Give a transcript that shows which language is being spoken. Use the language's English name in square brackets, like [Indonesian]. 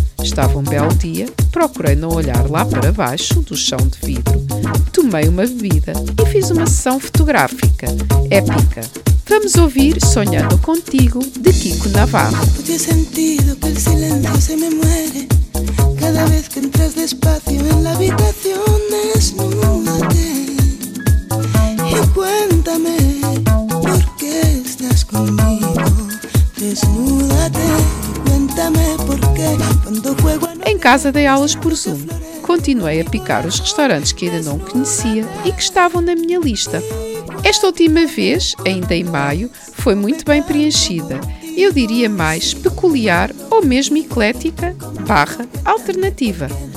[Portuguese] Estava um belo dia, procurei não olhar lá para baixo do chão de vidro. Tomei uma bebida e fiz uma sessão fotográfica épica. Vamos ouvir Sonhando Contigo, de Kiko Navarro. Eu tinha sentido que o silêncio [Spanish] se me muere. Cada vez que entras despacio en la habitación, desnúdate y cuéntame por qué estás conmigo. Desnúdate y cuéntame por qué cuando juego a... [Portuguese] Em casa dei aulas por Zoom. Continuei a picar os restaurantes que ainda não conhecia e que estavam na minha lista. Esta última vez, ainda em maio, foi muito bem preenchida. Eu diria mais peculiar ou mesmo eclética, / alternativa.